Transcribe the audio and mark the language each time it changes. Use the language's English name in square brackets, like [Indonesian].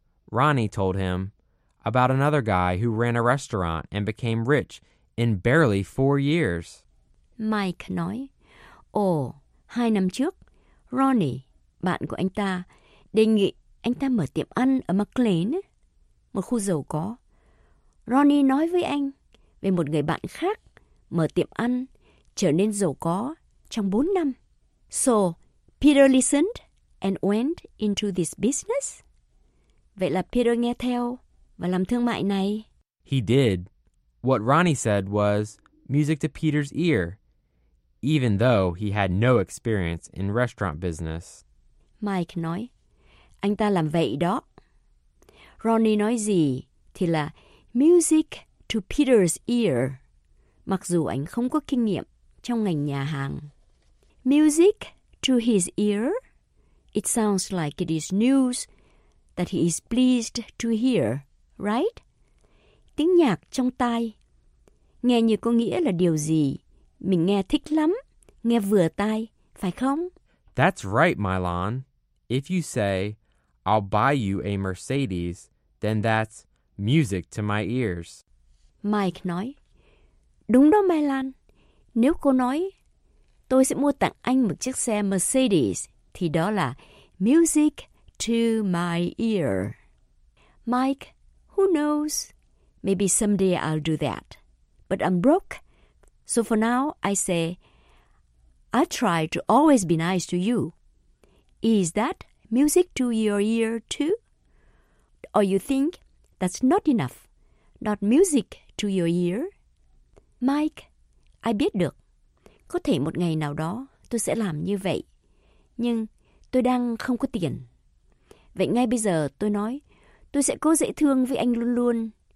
[English] Ronnie told him about another guy who ran a restaurant and became rich in barely 4 years. [Vietnamese] Mike nói, ồ, 2 năm trước, Ronnie, bạn của anh ta, đề nghị anh ta mở tiệm ăn ở McLean, một khu giàu có. Ronnie nói với anh về một người bạn khác mở tiệm ăn, trở nên giàu có trong 4 năm. [English] So, Peter listened and went into this business? [Vietnamese] Vậy là Peter nghe theo và làm thương mại này. [English] He did. What Ronnie said was music to Peter's ear. Even though he had no experience in restaurant business. [Vietnamese] Mike nói, anh ta làm vậy đó. Ronnie nói gì thì là [English] music to Peter's ear, [Vietnamese] mặc dù anh không có kinh nghiệm trong ngành nhà hàng. [English] Music to his ear? It sounds like it is news that he is pleased to hear, right? [Vietnamese] Tiếng nhạc trong tai, nghe như có nghĩa là điều gì? Mình nghe thích lắm, nghe vừa tai, phải không? [English] That's right, Mylon. If you say, I'll buy you a Mercedes, then that's music to my ears. [Vietnamese] Mike nói, đúng đó, Mylon. Nếu cô nói, tôi sẽ mua tặng anh một chiếc xe Mercedes, thì đó là [English] music to my ear. Mike, who knows? Maybe someday I'll do that. But I'm broke. So for now, I say, I try to always be nice to you. Is that music to your ear too? Or you think that's not enough, not music to your ear? [Vietnamese] Mike, I biết được. Có thể một ngày nào đó tôi sẽ làm như vậy. Nhưng tôi đang không có tiền. Vậy ngay bây giờ tôi nói, tôi sẽ cố dễ thương với anh luôn luôn.